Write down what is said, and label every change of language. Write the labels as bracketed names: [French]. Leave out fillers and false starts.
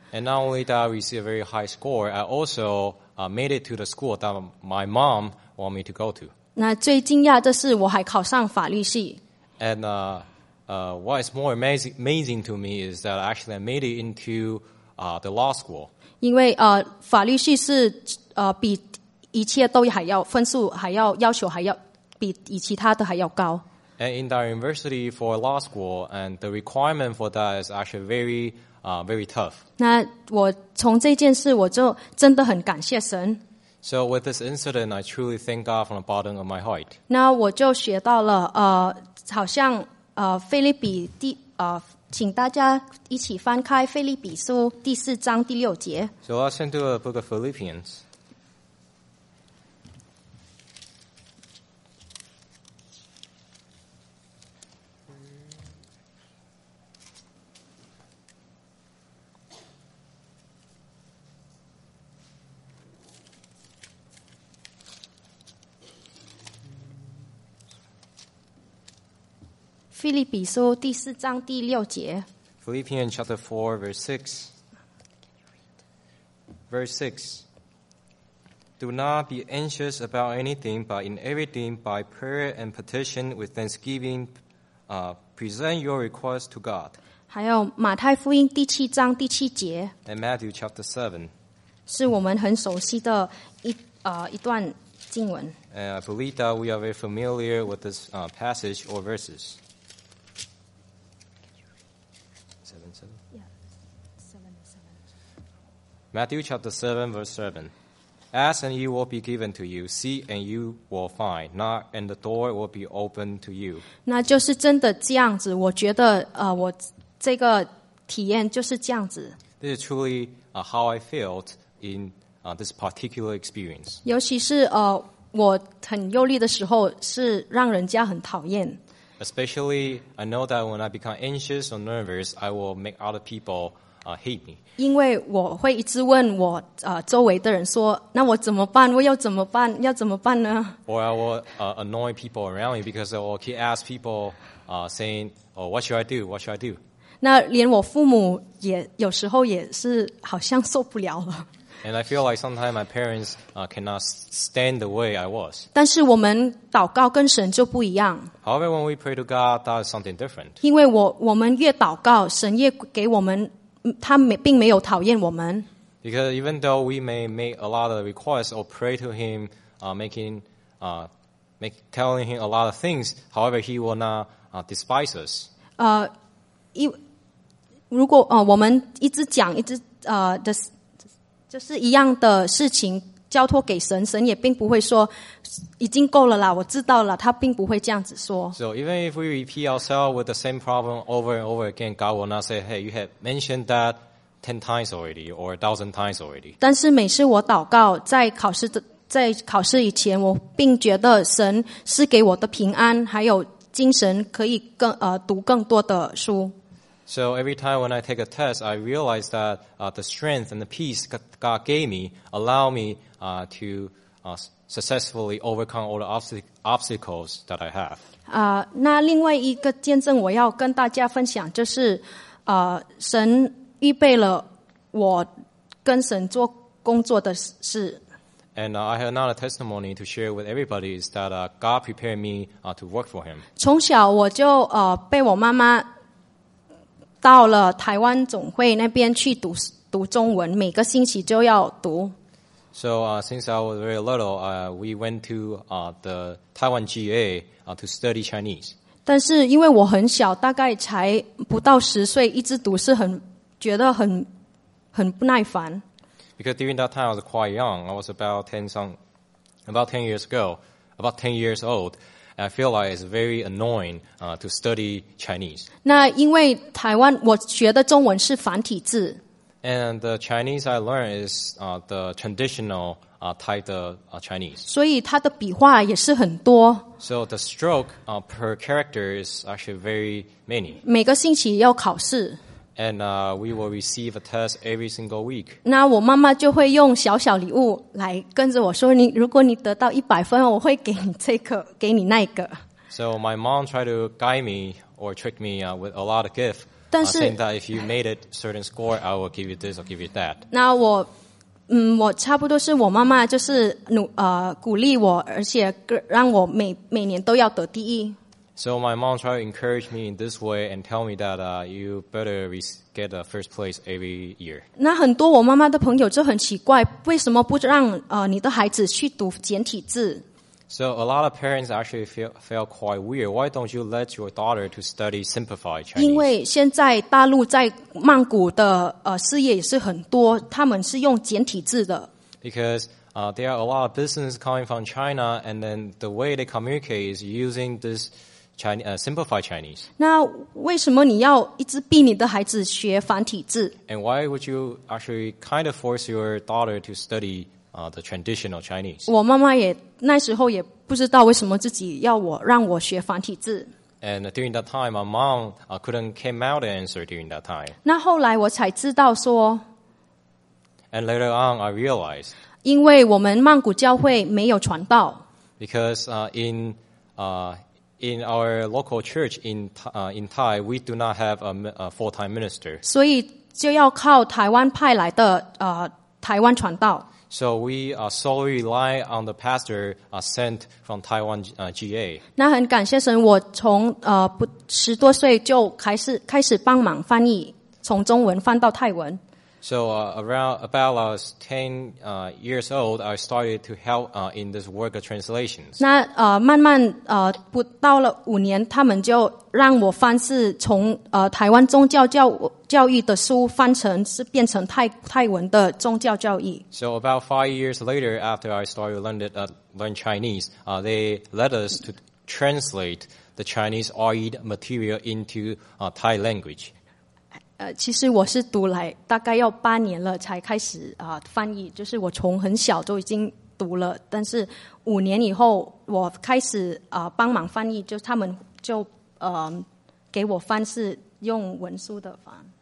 [English] And not only did I receive a very high score, I also made it to the school that my mom wanted me to go to. [Chinese] 那最惊讶的是我还考上法律系。 [English] And what is more amazing to me is that actually I made it into the law school. [Chinese] 因为法律系是比一切都还要分数还要要求还要比其他的还要高。 [English] And in the university for law school, and the requirement for that is actually very, very tough. [Chinese] 那我从这件事我就真的很感谢神。 [English] So with this incident, I truly thank God from the bottom of my heart. [Chinese] 那我就学到了，好像腓立比第请大家一起翻开腓立比书第四章第六节。 [English] So let's turn to the book of Philippians. Philippians chapter 4, verse 6. Philippians chapter 4, verse 6. Verse 6. Do not be anxious about anything, but in everything, by prayer and petition with thanksgiving, present your request to God. [Chinese] 还有马太福音第七章第七节。 [English] And Matthew chapter 7. [Chinese] 是我们很熟悉的一段经文。 [English] And I believe that we are very familiar with this passage or verses. Matthew chapter 7, verse 7. Ask and you will be given to you. Seek and you will find. Knock and the door will be opened to you. [Chinese] 那就是真的这样子。我觉得我这个体验就是这样子。 [English] This is truly how I felt in this particular experience. [Chinese] 尤其是我很忧虑的时候是让人家很讨厌。 [English] Especially, I know that when I become anxious or nervous, I will make other people hate me. [Chinese] 因为我会一直问我周围的人说，那我怎么办？我要怎么办？要怎么办呢？ [English] Or I will annoy people around me because I will keep asking people, saying, "Oh, what should I do? What should I do?" [Chinese] 那连我父母也有时候也是好像受不了了。 [English] And I feel like sometimes my parents cannot stand the way I was. [Chinese] 但是我们祷告跟神就不一样。 [English] However, when we pray to God, that is something different. [Chinese] 因为我们越祷告，神越给我们。他并没有讨厌我们。 [English] Because even though we may make a lot of requests or pray to him, telling him a lot of things, however, he will not despise us. [Chinese] 如果我们一直讲一直就是一样的事情交托给神，神也并不会说已经够了啦，我知道了。他并不会这样子说。 [English] So even if we repeat ourselves with the same problem over and over again, God will not say, "Hey, you have mentioned that 10 times already or 1,000 times already." [Chinese] 但是每次我祷告，在考试以前，我并觉得神是给我的平安，还有精神可以读更多的书。 [English] So every time when I take a test, I realize that the strength and the peace God gave me allow me to successfully overcome all the obstacles that I have. [Chinese] 那另外一个见证我要跟大家分享，就是神预备了我跟神做工作的事。 [English] And I have another testimony to share with everybody is that God prepared me to work for Him. [Chinese] 从小我就被我妈妈到了台湾总会那边去读中文，每个星期就要读。 [English] So since I was very little, we went to the Taiwan GA to study Chinese. [Chinese] 但是因为我很小，大概才不到十岁，一直读是觉得很不耐烦。 [English] Because during that time I was quite young, I was about 10 years ago. about 10 years old. I feel like it's very annoying to study Chinese. [Chinese] 那因为台湾我学的中文是繁体字。 [English] And the Chinese I learned is the traditional type of Chinese. [Chinese] 所以它的笔画也是很多。 [English] So the stroke per character is actually very many. [Chinese] 每个星期要考试。 [English] And we will receive a test every single week. [Chinese] 那我妈妈就会用小小礼物来跟着我说你如果你得到100分我会给你这个给你那个。 [English] So my mom tried to guide me or trick me with a lot of gift. [Chinese] 但是 [English] saying that if you made it certain score, I will give you this or give you that. [Chinese] 那我我差不多是我妈妈就是鼓励我而且让我每年都要得第一。 [English] So my mom tried to encourage me in this way and tell me that you better get a first place every year. [Chinese] 那很多我妈妈的朋友就很奇怪，为什么不让你的孩子去读简体字？ [English] So a lot of parents actually feel quite weird. Why don't you let your daughter to study simplified Chinese? [Chinese] 因为现在大陆在曼谷的事业也是很多，他们是用简体字的。 [English] Because there are a lot of businesses coming from China, and then the way they communicate is using this. Simplify Chinese. [Chinese] 那为什么你要一直逼你的孩子学繁体字？ [English] And why would you actually kind of force your daughter to study the traditional Chinese? [Chinese] 我妈妈也那时候也不知道为什么自己要我让我学繁体字。 [English] And during that time, my mom couldn't came out the answer during that time. [Chinese] 那后来我才知道说。 [English] And later on, I realized. [Chinese] 因为我们曼谷教会没有传道。 [English] Because in our local church in Thai, we do not have a full-time minister. [Chinese] 所以就要靠台湾派来的台湾传道。 [English] So we solely rely on the pastor sent from Taiwan GA. [Chinese] 那很感谢神，我从十多岁就开始帮忙翻译，从中文翻到泰文。 [English] So about 10 years old, I started to help in this work of translations. [Chinese] 那慢慢不到了五年，他们就让我翻是从台湾宗教教育的书翻成是变成泰文的宗教教义。 [English] So about 5 years later, after I started learn Chinese, they led us to translate the Chinese R.E. material into Thai language. [Chinese] 其实我是读来大概要八年了才开始翻译，就是我从很小就已经读了，但是五年以后我开始帮忙翻译，就他们就给我翻是用文书的翻。